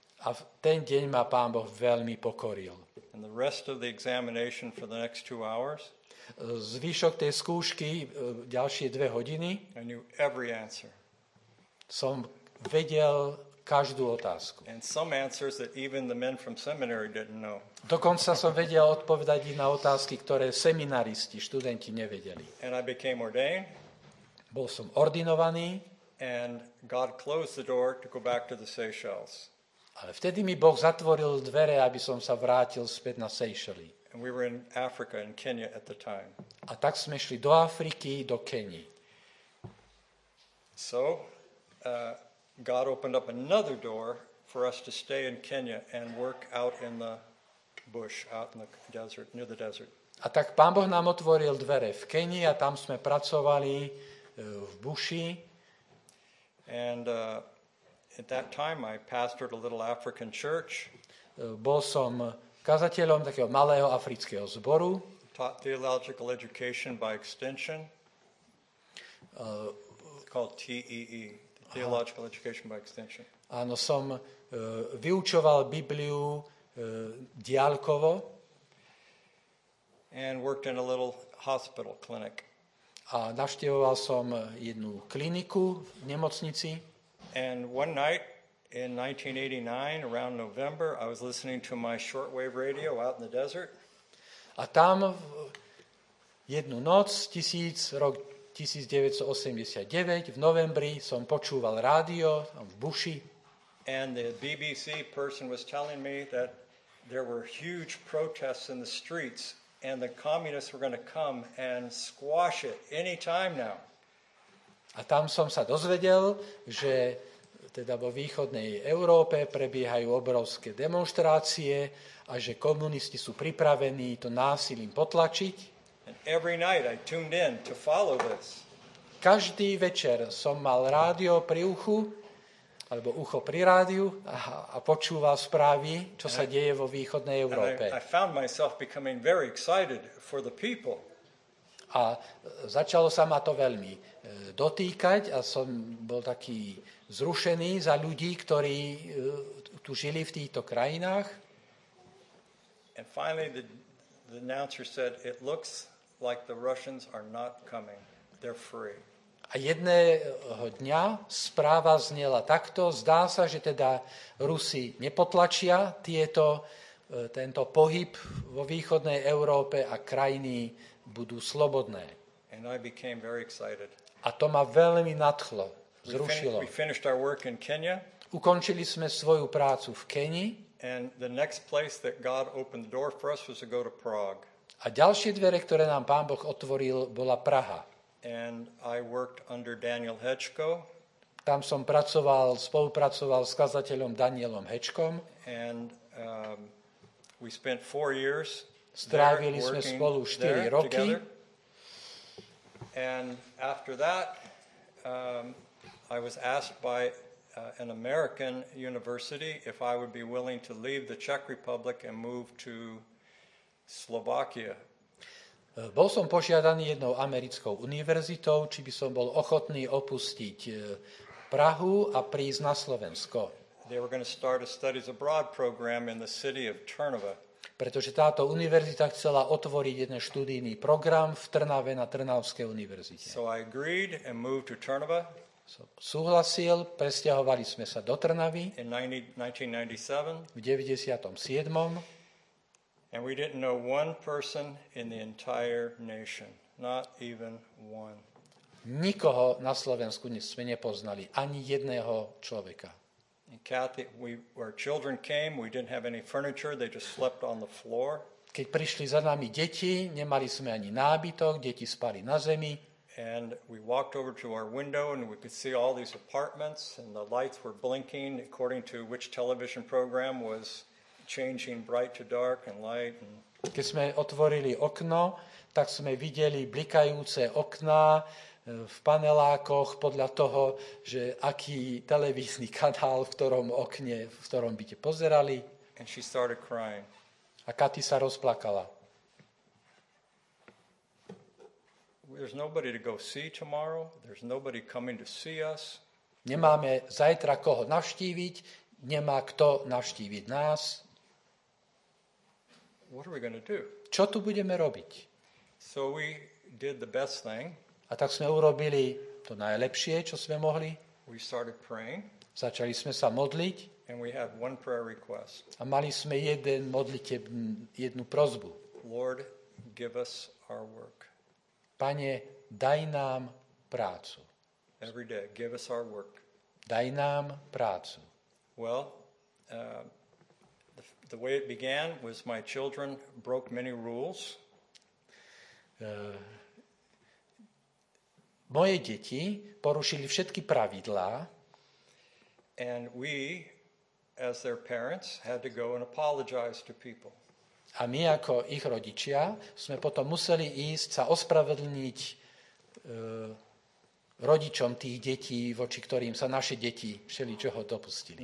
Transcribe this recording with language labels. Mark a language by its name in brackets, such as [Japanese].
[Slovak] A v ten deň ma Pán Boh veľmi pokoril. [English] And the rest of the examination for the next 2 hours. [Slovak] Zvyšok tej skúšky ďalšie 2 hodiny. [English] I knew every answer. [Slovak] Som vedel každú otázku. [English] And some answers that even the men from seminary didn't know. [Slovak] Dokonca som vedel odpovedať na otázky, ktoré seminaristi, študenti nevedeli. [English] And I became ordained. [Slovak] Bol som ordinovaný. [English] And God closed the door to go back to the Seychelles. [Slovak] Ale vtedy mi Boh zatvoril dvere, aby som sa vrátil späť na Seychely. [English] And we were in Africa, in Kenya at the time. [Slovak] A tak sme šli do Afriky, do Kenii. [English] So, God opened up another door for us to stay in Kenya and work out in the bush, out in the desert, near the desert. [Slovak] A tak Pán Boh nám otvoril dvere v Kenii a tam sme pracovali v buši. [English] And at that time I pastored a little African church. [Slovak] Bol som kazateľom takého malého afrického zboru. [English] Taught theological education by extension. Called TEE, theological education by extension. [Slovak] Áno, som vyučoval Bibliu diaľkovo. [English] And worked in a little hospital clinic. [Slovak] A navštevoval som jednu kliniku v nemocnici. [English] And one night in 1989 around November I was listening to my shortwave radio out in the desert. [Slovak] A tam jednu noc rok 1989 v novembri som počúval rádio v buši. [English] And the BBC person was telling me that there were huge protests in the streets and the communists were going to come and squash it any time now. [Slovak] A tam som sa dozvedel, že teda vo východnej Európe prebiehajú obrovské demonstrácie a že komunisti sú pripravení to násilím potlačiť. [English] And every night I tuned in to follow this. [Slovak] každý večer som mal rádio pri uchu, alebo ucho pri rádiu a počúval správy, čo sa deje vo východnej Európe. [English] I found myself becoming very excited for the people. [Slovak] A začalo sa ma to veľmi dotýkať a som bol taký zrušený za ľudí, ktorí tu žili v týchto krajinách. [English] And finally the announcer said it looks like the Russians are not coming. They're free. [Slovak] A jedného dňa správa zniela takto. Zdá sa, že teda Rusi nepotlačia tento pohyb vo východnej Európe a krajiny budú slobodné. [English] And I became very excited. [Slovak] A to ma veľmi nadchlo, zrušilo. [English] We finished our work in Kenya. [Slovak] Ukončili sme svoju prácu v Kenii. [English] And the next place that God opened the door for us was to go to Prague. [Slovak] A ďalšie dvere, ktoré nám Pán Boh otvoril, bola Praha. [English] And I worked under Daniel Hečko. [Slovak] Tam som pracoval, spolupracoval s kazateľom Danielom Hečkom. [English] And we spent 4 years. [Slovak] Strávili sme spolu 4 roky. [English] And after that I was asked by an American university if I would be willing to leave the Czech Republic and move to Slovakia. [Slovak] Bol som požiadaný jednou americkou univerzitou, či by som bol ochotný opustiť Prahu a prísť na Slovensko. [English] They were going to start a studies abroad program in the city of Trnava. [Slovak] Pretože táto univerzita chcela otvoriť jeden študijný program v Trnave na Trnavskej univerzite. [English] So I agreed and moved to Trnava. [Slovak] Súhlasil, presťahovali sme sa do Trnavy [English] in 1997. And we didn't know one person in the entire nation, not even one. [Slovak] Nikoho na Slovensku sme nepoznali, ani jedného človeka. [English] And Kathy, our children came, we didn't have any furniture, they just slept on the floor. [Slovak] Keď prišli za nami deti, nemali sme ani nábytok, deti spali na zemi. [English] And we walked over to our window and we could see all these apartments and the lights were blinking according to which television program was changing bright to dark and light. And [Slovak] keď sme otvorili okno, tak sme videli blikajúce okná v panelákoch podľa toho, že aký televízny kanál v ktorom okne, v ktorom byte pozerali. [English] And she started crying. [Slovak] A Kathy sa rozplakala. [English] There's nobody to go see tomorrow. There's nobody coming to see us. [Slovak] Nemáme zajtra koho navštíviť, nemá kto navštíviť nás. [English] What are we going to do? [Slovak] Čo tu budeme robiť? [English] So we did the best thing. [Slovak] A tak sme urobili to najlepšie, čo sme mohli. [English] We started praying. [Slovak] Začali sme sa modliť. [English] And we had one prayer request. [Slovak] A mali sme jeden modlitev, jednu prosbu. [English] Lord, give us our work. [Slovak] Pane, daj nám prácu. [English] Every day, give us our work. [Slovak] Daj nám prácu. [English] Well, the way it began was my children broke many rules. [Slovak] Moje deti porušili všetky pravidlá. [English] And we, as their parents, had to go and apologize to people. [Slovak] A my ako ich rodičia sme potom museli ísť sa ospravedlniť rodičom tých detí, voči ktorým sa naše deti všeličoho dopustili.